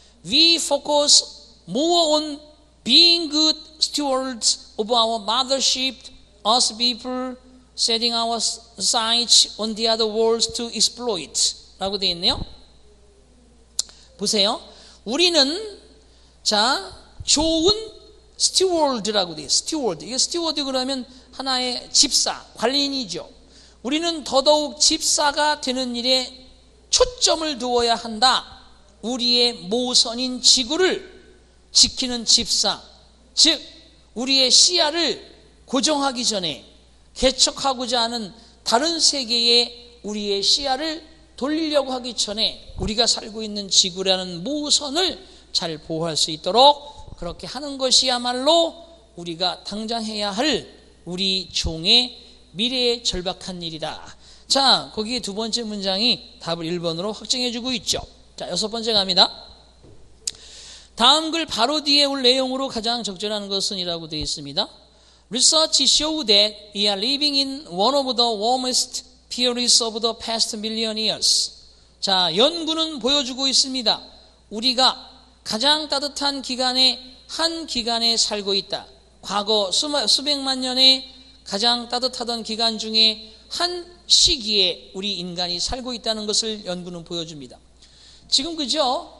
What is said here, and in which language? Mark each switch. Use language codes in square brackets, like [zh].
[en] We focus more on being good stewards of our mothership, us people, setting our sights on the other worlds to exploit. [ko] 라고 되어 있네요. 보세요. 우리는, 자, 좋은 스튜어드라고 돼요. 스튜어드. 이게 스튜어드 그러면 하나의 집사, 관리인이죠. 우리는 더더욱 집사가 되는 일에 초점을 두어야 한다. 우리의 모선인 지구를 지키는 집사. 즉, 우리의 시야를 고정하기 전에 개척하고자 하는 다른 세계에 우리의 시야를 돌리려고 하기 전에 우리가 살고 있는 지구라는 모선을 잘 보호할 수 있도록 그렇게 하는 것이야말로 우리가 당장 해야 할 우리 종의 미래에 절박한 일이다. 자, 거기에 두 번째 문장이 답을 1번으로 확정해주고 있죠. 자, 여섯 번째 갑니다. 다음 글 바로 뒤에 올 내용으로 가장 적절한 것은 이라고 되어 있습니다. [en] Research show that we are living in one of the warmest periods of the past million years. [ko] 자, 연구는 보여주고 있습니다. 우리가 가장 따뜻한 기간에 한 기간에 살고 있다. 과거 수백만 년의 가장 따뜻하던 기간 중에 한 시기에 우리 인간이 살고 있다는 것을 연구는 보여줍니다. 지금 그죠?